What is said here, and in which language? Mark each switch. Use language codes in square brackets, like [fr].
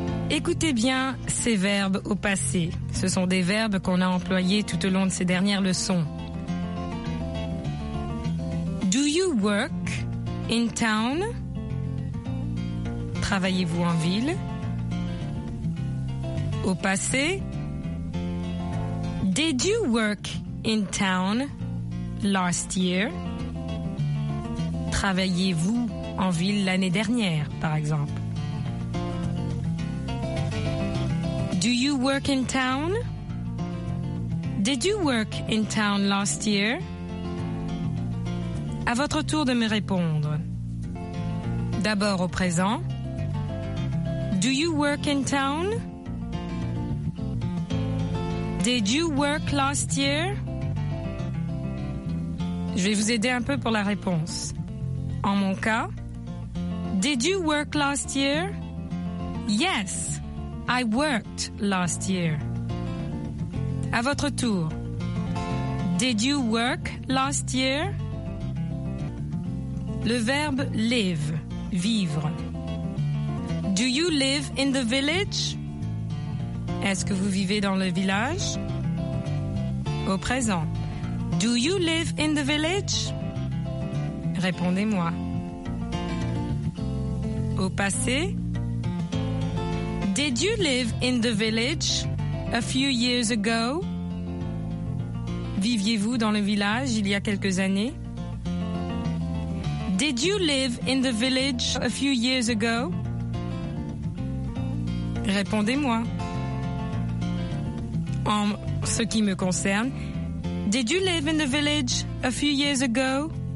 [fr] Écoutez bien ces verbes au passé. Ce sont des verbes qu'on a employés tout au long de ces dernières leçons. [en] Do you work in town? [fr] Travaillez-vous en ville? Au passé. [en] Did you work in town last year? [fr] Travaillez-vous en ville l'année dernière, par exemple? [en] Do you work in town? Did you work in town last year? [fr] À votre tour de me répondre. D'abord au présent. [en] Do you work in town? Did you work last year? [fr] Je vais vous aider un peu pour la réponse. En mon cas, [en] did you work last year? Yes. I worked last year. [fr] À votre tour. [en] Did you work last year? [fr] Le verbe live, vivre. [en] Do you live in the village? [fr] Est-ce que vous vivez dans le village? Au présent. [en] Do you live in the village? [fr] Répondez-moi. Au passé. [en] Did you live in the village a few years ago? [fr] Viviez-vous dans le village il y a quelques années? [en] Did you live in the village a few years ago? [fr] Répondez-moi. En ce qui me concerne, [en] did you live in the village a few years ago?